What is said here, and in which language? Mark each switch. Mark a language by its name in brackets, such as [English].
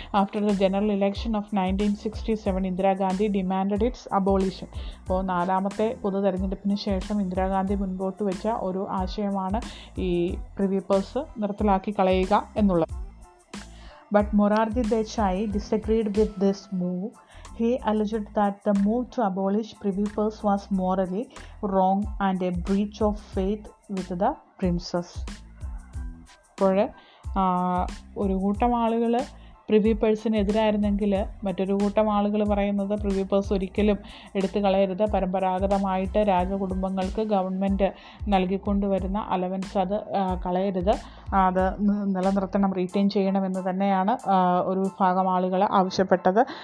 [English] After the general election of 1967 Indira Gandhi demand it's abolition. [Malayalam] അപ്പോൾ നാലാമത്തെ പൊതു തെരഞ്ഞെടുപ്പിന് ശേഷം ഇന്ദിരാഗാന്ധി മുൻപോട്ട് വെച്ച ഒരു ആശയമാണ് ഈ പ്രിവി പേഴ്സ് നിർത്തലാക്കി കളയുക എന്നുള്ളത്. [English] But Morarji Desai disagreed with this move. He alleged that the move to abolish privy purse was morally wrong and a breach of faith with the princess. [Malayalam] പോലെ ഒരു കൂട്ടം ആളുകൾ പ്രിവി പേഴ്സിനെതിരായിരുന്നെങ്കിൽ മറ്റൊരു കൂട്ടം ആളുകൾ പറയുന്നത് പ്രിവി പേഴ്സ് ഒരിക്കലും എടുത്തു കളയരുത്, പരമ്പരാഗതമായിട്ട് രാജകുടുംബങ്ങൾക്ക് ഗവൺമെൻറ് നൽകിക്കൊണ്ടുവരുന്ന അലവൻസ് അത് കളയരുത്, അത് നിലനിർത്തണം, റീറ്റെയിൻ ചെയ്യണമെന്ന് തന്നെയാണ് ഒരു വിഭാഗം ആളുകൾ ആവശ്യപ്പെട്ടത്.